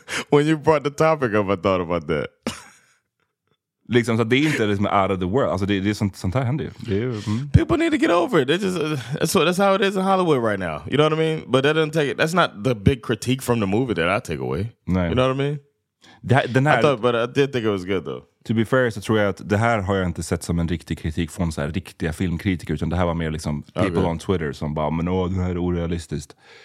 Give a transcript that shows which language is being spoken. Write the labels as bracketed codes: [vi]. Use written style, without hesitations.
[en] When you brought the topic up, I thought about that. [sv] Liksom, så det är inte det som är [en] out of the world. [sv] Alltså, det är sånt här händer ju. [en] People need to get over it. That's how it is in Hollywood right now. You know what I mean? But that doesn't take it. That's not the big critique from the movie that I take away. [sv] Nej. [en] You know what I mean? I did think it was good though. To be fair, [sv] så tror jag att det här har jag inte sett som en riktig kritik från så här riktiga filmkritiker. Utan det här var mer liksom [en] people on Twitter [sv] som bara, men åh, det här är orealistiskt.